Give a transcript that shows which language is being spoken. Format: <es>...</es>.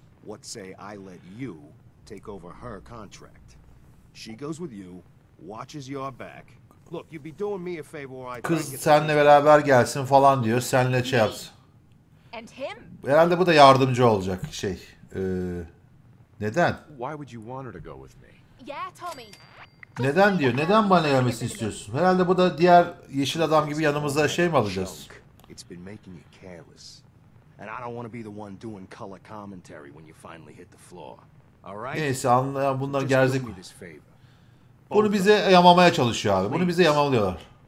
<en>What say I let you take over her contract? She goes with you, watches your back. Look, you'd be doing me a favor.</en> <tr>Kız senle beraber gelsin falan diyor. Senle şey yapsın.</tr> <en>and him.</en> <tr>Herhalde bu da yardımcı olacak şey. Neden?</tr> <en>Why would you want her to go with me? Yeah, Tommy.</en> <tr>Neden diyor? Neden bana gelmesini istiyorsun? Herhalde bu da diğer yeşil adam gibi yanımıza şey mi alacağız?</tr> <en>It's been making you careless. And I don't want to be the one doing color commentary when you finally hit the floor. All right?</en> <tr>Neyse, anlayan bunlar gerzek. Bunu bize yamamaya çalışıyor abi. Bunu bize yamalıyorlar.</tr>